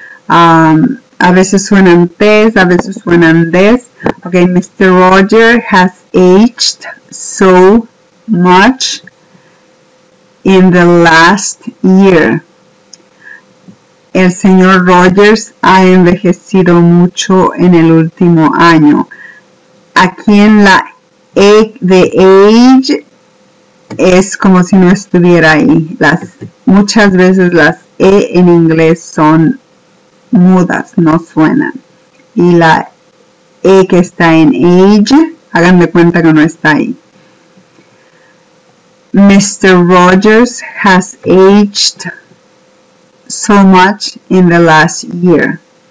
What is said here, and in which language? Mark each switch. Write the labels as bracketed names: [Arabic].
[Spanish] A veces suenan tés, a veces suenan des. [English] Okay, Mr. Roger has aged so much in the last year. [Spanish] El señor Rogers ha envejecido mucho en el último año. Aquí en la the age es como si no estuviera ahí. Muchas veces las E en inglés son mudas, no suenan. Y la E que está en age, háganme cuenta que no está ahí. [English] Mr. Rogers has aged so much in the last year.